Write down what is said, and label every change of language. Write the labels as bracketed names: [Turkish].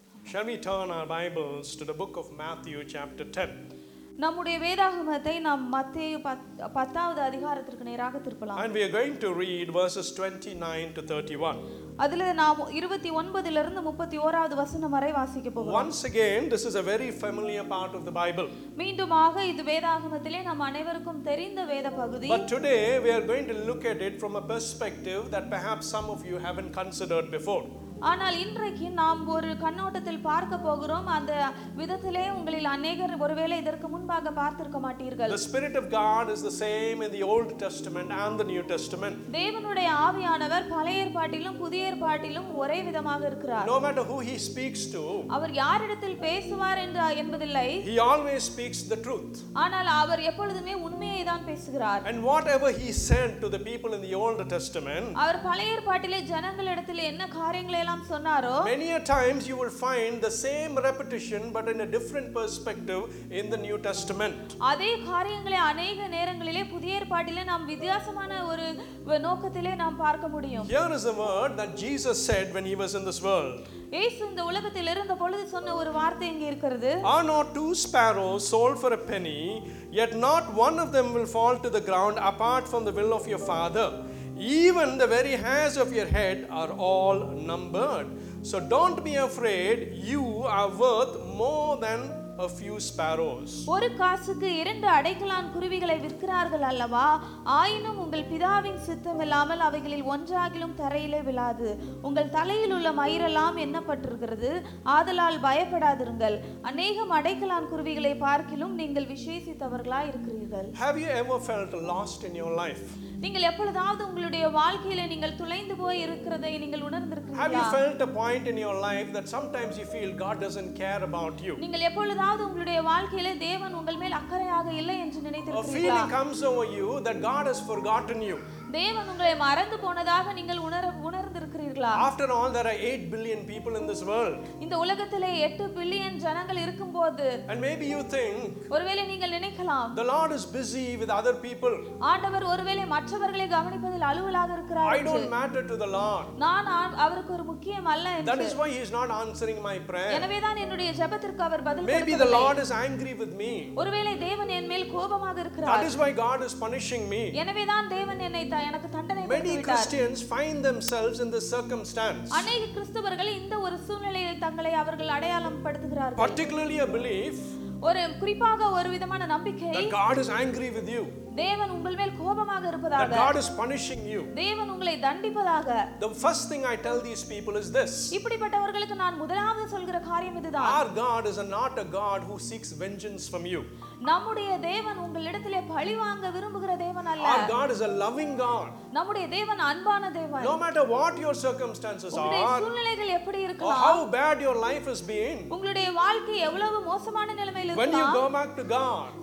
[English] Shall we turn our Bibles to the book of Matthew chapter 10? [Tamil] நம்முடைய வேதாகமத்தை நாம் மத்தேயு 10வது அதிகாரத்திற்கு நேராக திருப்பலாம். [English] And we are going to read verses 29 to 31. [Tamil] அதிலே நாம் 29லிருந்து 31வது வசனம் வரை வாசிக்க போகிறோம். [English] Once again, this is a very familiar part of the Bible. [Tamil] மீண்டுமாக இது வேதாகமத்திலே நாம் அனைவருக்கும் தெரிந்த வேத பகுதி. [English] But today we are going to look at it from a perspective that perhaps some of you haven't considered before. [Tamil] ஆனால் இன்றைக்கு நாம் ஒரு கண்ணோட்டத்தில் பார்க்க போகிறோம். அந்த விதத்திலே உங்களில் அநேகர் ஒருவேளை இதற்கு முன்பாக பார்த்திருக்க மாட்டீர்கள். [English] The spirit of God is the same in the Old Testament and the New Testament. [Tamil] தேவனுடைய ஆவியானவர் பழைய ஏற்பாட்டிலும் புதிய ஏற்பாட்டிலும் ஒரே விதமாக இருக்கிறார். [English] No matter who he speaks to, [Tamil] அவர் யாரிடத்தில் பேசுவார் என்பதில்லை. [English] He always speaks the truth. [Tamil] ஆனால் அவர் எப்பொழுதுமே உண்மையை தான் பேசுகிறார். [English] And whatever he said to the people in the Old Testament, [Tamil] அவர் பழைய ஏற்பாட்டிலே ஜனங்களிடத்தில் என்ன காரியங்களை [English] Many a times you will find the same repetition but in a different perspective in the New Testament. [Tamil] அதே காரியங்களை अनेक நேரங்களிலே புதிய ஏற்பாட்டிலே நாம் வித்தியாசமான ஒரு நோக்கத்திலே நாம் பார்க்க முடியும். [English] Here is a word that Jesus said when he was in this world. [Tamil] இயேசு இந்த உலகத்தில் இருந்த பொழுது சொன்ன ஒரு வார்த்தை இங்கே இருக்குது. [English] Are not two sparrows sold for a penny, yet not one of them will fall to the ground apart from the will of your father. Even the very hairs of your head are all numbered. So don't be afraid, you are worth more than a few sparrows. [Tamil] ஒரு காசுக்கு இரண்டு அடைக்கலான் குருவிகளை விற்கிறார்கள் அல்லவா? ஆயினும் உங்கள் பிதாவின் சித்தம் இல்லாமல் அவைகளில் ஒன்றாகிலும் தரையிலே விழாது. உங்கள் தலையில் உள்ள மயிரெல்லாம் எண்ணப்பட்டிருக்கிறது. ஆதலால் பயப்படாதிருங்கள். அநேகம் அடைக்கலான் குருவிகளை பார்க்கிலும் நீங்கள் விசேஷித்தவர்களாய் இருக்கிறீர்கள். [English] Have you ever felt lost in your life? [Tamil] நீங்கள் எப்பொழுதாவது உங்களுடைய வாழ்க்கையில நீங்கள் துளைந்து போய் இருக்கிறதை நீங்கள் உணர்ந்திருக்கிறீர்களா? [English] Have you felt a point in your life that sometimes you feel God doesn't care about you? [Tamil] நீங்கள் எப்பொழுதாவது உங்களுடைய வாழ்க்கையில தேவன் உங்கள் மேல் அக்கறையாக இல்லை என்று நினைத்திருக்கிறீர்களா? [English] A feeling comes over you that God has forgotten you. [Tamil] தேவன் உங்களை மறந்து போனதாக நீங்கள் உணர்ந்திருக்கிறீர்களா? [English] After all, there are 8 billion people in this world. [Tamil] இந்த உலகத்திலே 8 பில்லியன் ஜனங்கள் இருக்கும்போது, [English] and maybe you think, [Tamil] ஒருவேளை நீங்கள் நினைக்கலாம், [English] the Lord is busy with other people. [Tamil] ஆண்டவர் ஒருவேளை மற்றவர்களை கவனிப்பதில் அலுவலாக இருக்கிறார். [English] I don't matter to the Lord. [Tamil] நான் அவருக்கு ஒரு முக்கியம் அல்ல என்று. [English] That is why he is not answering my prayer. [Tamil] எனவே தான் என்னுடைய ஜெபத்திற்கு அவர் பதில் கொடுக்கவில்லை. [English] Maybe the Lord is angry with me. [Tamil] ஒருவேளை தேவன் என் மேல் கோபமாக இருக்கிறார். [English] That is why God is punishing me. [Tamil] எனவே தான் தேவன் என்னை [English] Many Christians find themselves in this circumstance. [Tamil] அநேக கிறிஸ்தவர்கள் இந்த ஒரு சூழ்நிலையில் தங்களை அவர்கள் அடையாளம் படுத்துகிறார்கள். [English] Particularly a belief. [Tamil] ஒரு குறிப்பாக ஒரு விதமான நம்பிக்கை. [English] That God is angry with you. [Tamil] தேவன் உங்கள் மேல் கோபமாக இருப்பதாக. [English] That God is punishing you. [Tamil] தேவன் உங்களை தண்டிப்பதாக. [English] The first thing I tell these people is this. [Tamil] இப்படிப்பட்டவர்களுக்கு நான் முதலாவது சொல்கிற காரியம் இதுதான். [English] Our God is not a God who seeks vengeance from you. [Tamil] நம்முடைய தேவன் உங்களிடத்தில் பழி வாங்க விரும்புகிற தேவன் அல்ல. [English] Our God is a loving God. [Tamil] நம்முடைய தேவன் அன்பான தேவன். [English] No matter what your circumstances are, [Tamil] உங்களுடைய சூழ்நிலைகள் எப்படி இருக்கலாம், [English] how bad your life has been, [Tamil] உங்களுடைய வாழ்க்கை எவ்வளவு மோசமான நிலையில் இருக்கலாம், [English] when you go back to God,